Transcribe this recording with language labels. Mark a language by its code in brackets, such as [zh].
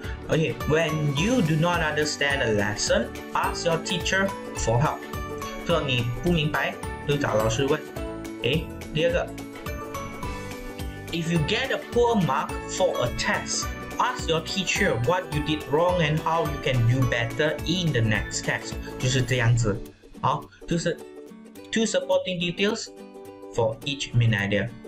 [en] Okay, when you do not understand a lesson, ask your teacher for help. [zh] 如果你不明白，就找老师问。 [en] Okay, [zh] 第二个, [en] if you get a poor mark for a test, ask your teacher what you did wrong and how you can do better in the next test. [zh] 就是这样子。好，就是 [en] two supporting details for each main idea.